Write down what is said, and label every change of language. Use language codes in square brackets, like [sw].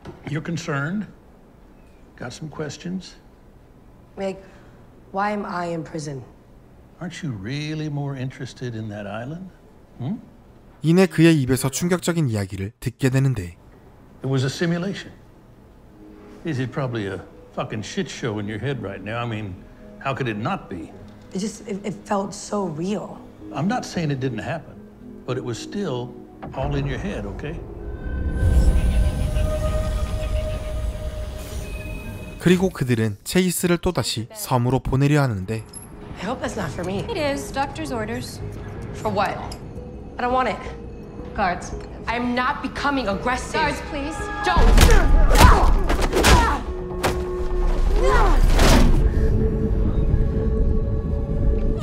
[en] You're concerned? Got some questions? Like, why am I in prison? Aren't you really more interested in that island? [ko] 이내 그의 입에서 충격적인 이야기를 듣게 되는데. [en] It was a simulation. Is it probably a fucking shit show in your head right now. I mean, how could it not be? It felt so real. I'm not saying it didn't happen, but it was still all in your head, okay? [ko] 그리고 그들은 체이스를 또다시 섬으로 보내려 하는데. [en] I hope that's not for me. It is. Doctor's orders. For what? I don't want it. Guards. I'm not becoming aggressive. Guards, please. Don't.